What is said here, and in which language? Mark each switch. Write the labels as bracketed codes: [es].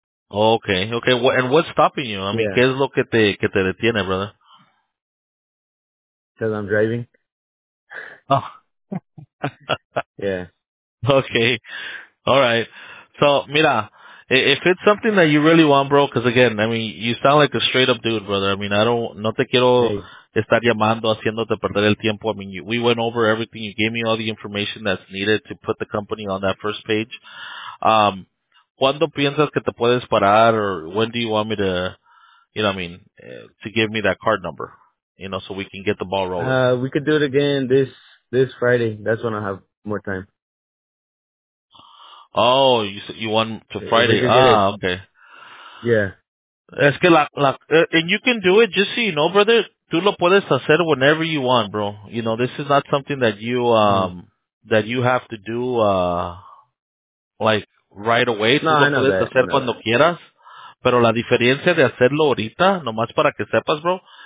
[en] Okay. And what's stopping you? I mean, [es] ¿qué es lo que te detiene, [en] brother? Because I'm driving. Oh. Yeah. Okay. All right. So, [es] mira, [en] if it's something that you really want, bro, because again, I mean, you sound like a straight up dude, brother. I mean, [es] no te quiero estar llamando, haciéndote perder el tiempo. [en] I mean, we went over everything. You gave me all the information that's needed to put the company on that first page. [es] ¿Cuándo piensas que te puedes parar, [en] or when do you want me to, you know, I mean, to give me that card number? You know, so we can get the ball rolling. We could do it again this Friday. That's when I have more time. Oh, you want to Friday? Okay. Yeah. [es] Es que [en] and you can do it. Just so you know, brother, [es] tú lo puedes hacer [en] whenever you want, bro. You know, this is not something that you that you have to do like right away. No, [es] tú lo [en] I know [es] puedes [en] that. [es] Hacer no. cuando quieras. Pero la diferencia de hacerlo ahorita, nomás para que sepas, bro.